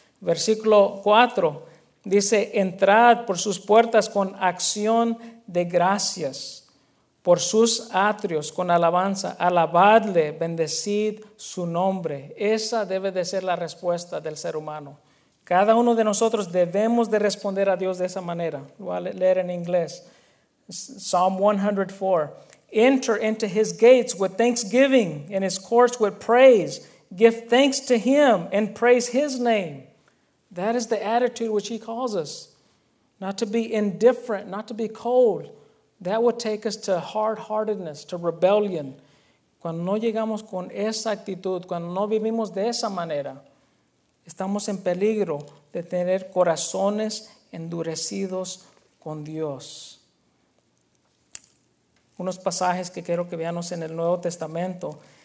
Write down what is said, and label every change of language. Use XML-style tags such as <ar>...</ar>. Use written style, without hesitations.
<es>Versículo 4, dice, entrad por sus puertas con acción de gracias, por sus atrios con alabanza, alabadle, bendecid su nombre. Esa debe de ser la respuesta del ser humano. Cada uno de nosotros debemos de responder a Dios de esa manera. Lo voy a leer en inglés.</es> <en>Psalm 104, enter into his gates with thanksgiving and his courts with praise. Give thanks to him and praise his name. That is the attitude which he calls us. Not to be indifferent, not to be cold. That would take us to hard-heartedness, to rebellion.</en> <es>Cuando no llegamos con esa actitud, cuando no vivimos de esa manera, estamos en peligro de tener corazones endurecidos con Dios. Unos pasajes que quiero que veamos en el Nuevo Testamento.</es>